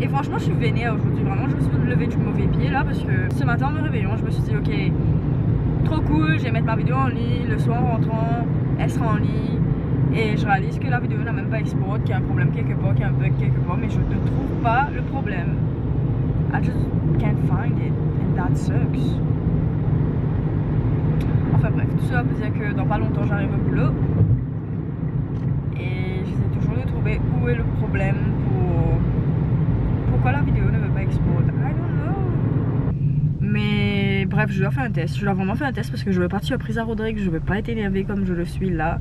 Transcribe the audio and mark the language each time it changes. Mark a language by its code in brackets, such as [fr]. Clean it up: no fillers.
[fr] Et franchement, je suis vénère aujourd'hui. Vraiment, je me suis levée du mauvais pied là parce que ce matin en me réveillant, je me suis dit ok, trop cool, je vais mettre ma vidéo en ligne. Le soir en rentrant, elle sera en ligne. Et je réalise que la vidéo n'a même pas export, qu'il y a un problème quelque part, qu'il y a un bug quelque part, mais je ne trouve pas le problème. [en] I just can't find it and that sucks. [fr] Enfin bref, tout ça veut dire que dans pas longtemps j'arrive au boulot. Et j'essaie toujours de trouver où est le problème pour pourquoi la vidéo ne veut pas export. [en] I don't know. [fr] Mais bref, je dois faire un test. Je dois vraiment faire un test parce que je veux pas de surprise à Rodrigue. Je veux pas être énervée comme je le suis là.